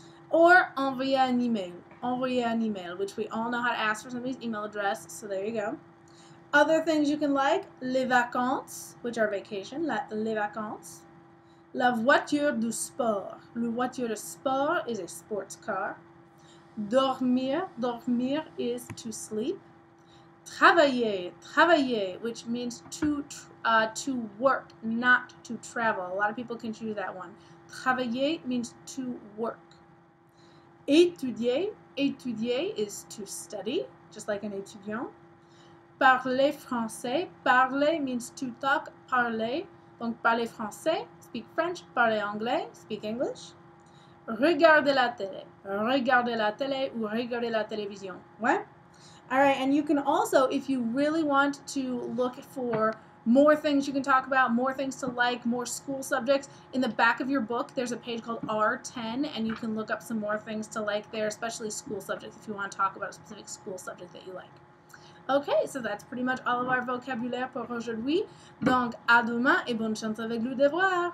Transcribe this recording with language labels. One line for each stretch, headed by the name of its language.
English: Or
French: envoyer un email,
English: which we all know how to ask for somebody's email address, so there you go. Other things you can like, les vacances, which are vacation, les vacances.
French: La voiture du sport, le voiture de sport
English: is a sports car. Dormir, dormir is to sleep. Travailler, travailler, which means to work, not to travel. A lot of people can choose that one. Travailler means to work. Étudier, étudier is to study, just like an étudiant.
French: Parler français, parler
English: means to talk,
French: parler. Donc parler français,
English: speak French,
French: parler anglais,
English: speak English.
French: Regarder la télé ou regarder la télévision. Ouais.
English: All right, and you can also, if you really want to look for more things you can talk about, more things to like, more school subjects, in the back of your book, there's a page called R10, and you can look up some more things to like there, especially school subjects, if you want to talk about a specific school subject that you like. Okay, so that's pretty much all of our
French: vocabulaire pour aujourd'hui. Donc, à demain et bonne chance avec le devoir!